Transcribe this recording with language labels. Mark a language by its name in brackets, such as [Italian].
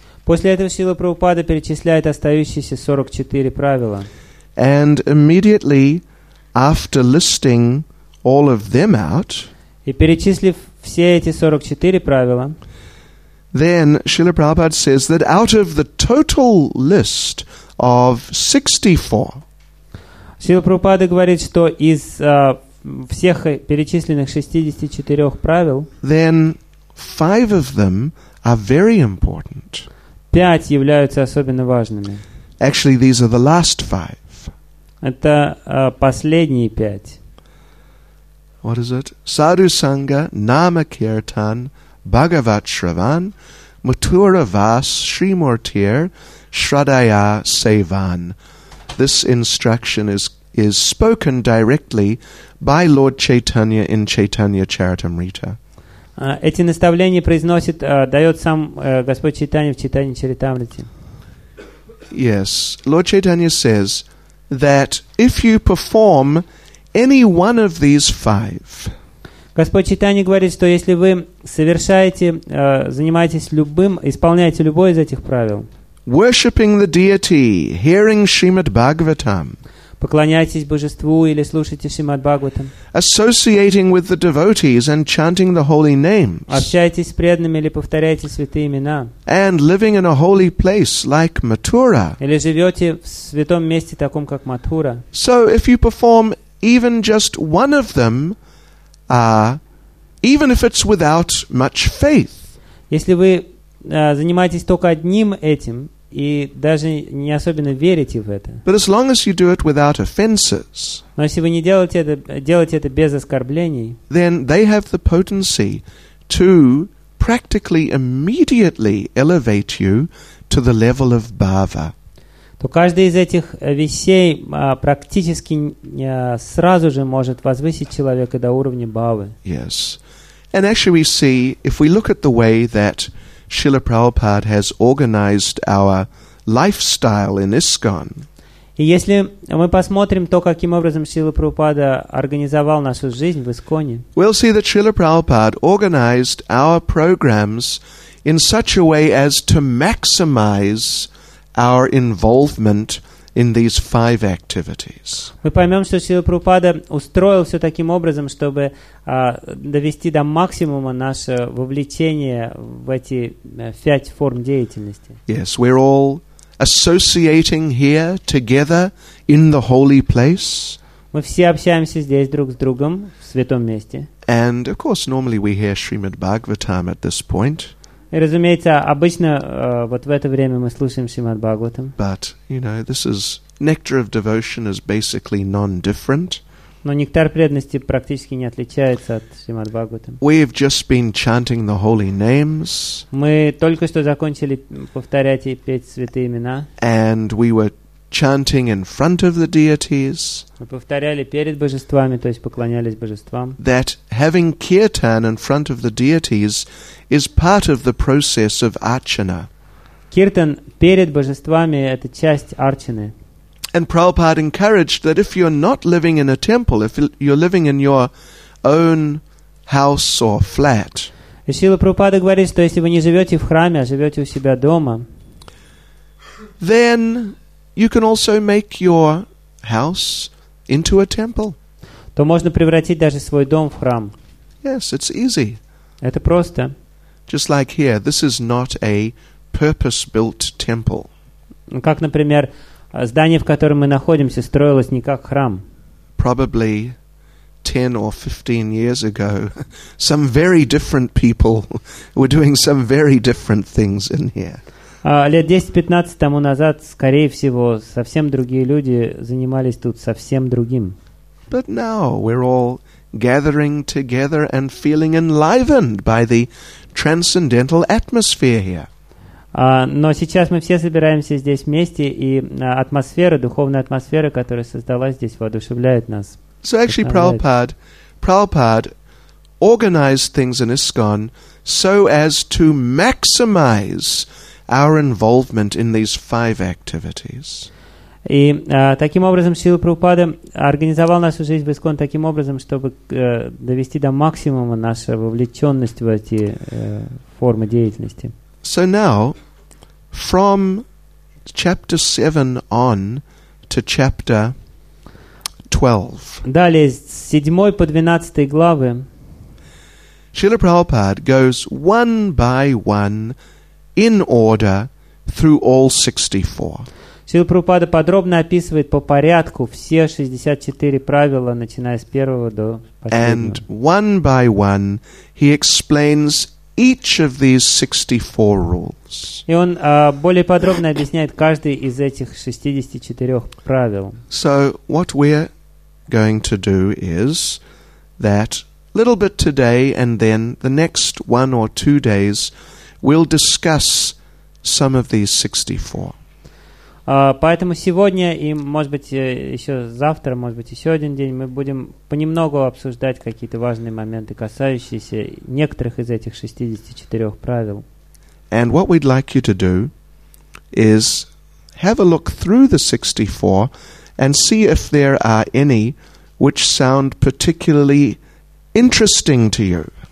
[Russian] После этого Шрила Прабхупада перечисляет остающиеся 44 правила. [English] And immediately after listing all of them out, [Russian] и перечислив все эти 44 правила, [English] then Srila Prabhupada says that out of the total list of 64, [Russian] Шрила Прабхупада говорит, что из всех перечисленных 64 правил, [English] then 5 of them are very important. [Russian] 5 являются особенно важными. [English] Actually, these are the last 5. [Russian] Это последние 5. [English] What is it? Sadhu Sangha, Nama Kirtan, Bhagavat Shravan, Mathura Vas, Srimurtir, Shradaya Sevan. This instruction is spoken directly by Lord Chaitanya in Chaitanya Charitamrita. [Russian] Эти наставления произносит, дает сам Господь Чайтанья в Чайтанья Чаритамрите. [English] Yes, Lord Chaitanya says that if you perform any one of these 5, [Russian] Господь Чайтанья говорит, что если вы совершаете, занимаетесь любым, исполняете любое из этих правил, [English] worshipping the deity, hearing Shrimad Bhagavatam, [Russian] поклоняйтесь божеству или слушайте Шримад Бхагаватам. [English] Associating with the devotees and chanting the holy names. [Russian] Общайтесь с преданными или повторяйте святые имена. [English] And living in a holy place like Mathura. [Russian] Или живете в святом месте таком как Матхура. [English] So if you perform even just one of them, even if it's without much faith. [Russian] Если вы занимаетесь только одним этим и даже не особенно верите в это. [English] But as long as you do it without offenses, [Russian] но если вы не делаете это, делаете это без оскорблений, [English] then they have the potency to practically immediately elevate you to the level of bhava. [Russian] То каждый из этих вещей практически сразу же может возвысить человека до уровня бхавы. [English] Yes. And actually we see, if we look at the way that Srila Prabhupada has organized our lifestyle in ISKCON. [Russian] И если мы посмотрим то, каким образом Шрила Прабхупада организовал нашу жизнь в ИСККОНе, [English] we'll see that Srila Prabhupada organized our programs in such a way as to maximize our involvement in these 5 activities. [Russian] Мы поймем, что Шрила Прабхупада устроил все таким образом, чтобы довести до максимума наше вовлечение в эти 5 форм деятельности. [English] Yes, we're all associating here together in the holy place. [Russian] Мы все общаемся здесь друг с другом в святом месте. [English] And of course, normally we hear Srimad Bhagavatam at this point. [Russian] И, разумеется, обычно вот в это время мы слушаем Шримад Бхагаватам. [English] But, you know, this is nectar of devotion is basically non-different. [Russian] Но нектар преданности практически не отличается от Шримад Бхагаватам. [English] We've just been chanting the holy names. [Russian] Мы только что закончили повторять и петь святые имена. [English] And we were chanting in front of the deities. [Russian] Мы повторяли перед божествами, то есть поклонялись божествам. [English] That having kirtan in front of the deities is part of the process of archana. [Russian] Киртан перед божествами – это часть арчаны. [English] And Prabhupada encouraged that if you're not living in a temple, if you're living in your own house or flat, [Russian] и Шрила Прабхупада говорит, что если вы не живете в храме, а живете у себя дома, [English] then you can also make your house into a temple. [Russian] То можно превратить даже свой дом в храм. [English] Yes, it's easy. [Russian] Это просто. [English] Just like here, this is not a purpose-built temple. [Russian] Как, например, здание, в котором мы находимся, строилось не как храм. [English] Probably 10 or 15 years ago, some very different people were doing some very different things in here. [Russian] Лет 10-15 тому назад, скорее всего, совсем другие люди занимались тут совсем другим. [English] But now we're all gathering together and feeling enlivened by the transcendental atmosphere here. [Russian] Но сейчас мы все собираемся здесь вместе, и атмосфера, духовная атмосфера, которая создалась здесь, воодушевляет нас. [English] So actually, Prabhupada organized things in ISKCON so as to maximize our involvement in these 5 activities. [Russian] И таким образом Шрила Прабхупада организовал нашу жизнь в ИСККОН таким образом, чтобы довести до максимума нашу вовлеченность в эти формы деятельности. [English] So now, from chapter 7 on to chapter 12. [Russian] Далее с 7 по 12 главы. [English] Srila Prabhupada goes one by one in order through all 64. [Russian] Srila Prabhupada подробно описывает по порядку все 64 правила, начиная с первого до последнего. [English] And one by one he explains each of these 64 rules. [Russian] И он более подробно объясняет каждый из этих 64 правил. [English] So what we're going to do is that little bit today, and then the next one or two days, we'll discuss some of these 64. [Russian] Поэтому сегодня и, может быть, еще завтра, может быть, еще один день, мы будем понемногу обсуждать какие-то важные моменты, касающиеся некоторых из этих 64 правил. [English] And what we'd like you to do is have a look through the 64 and see if there are any which sound particularly interesting to you.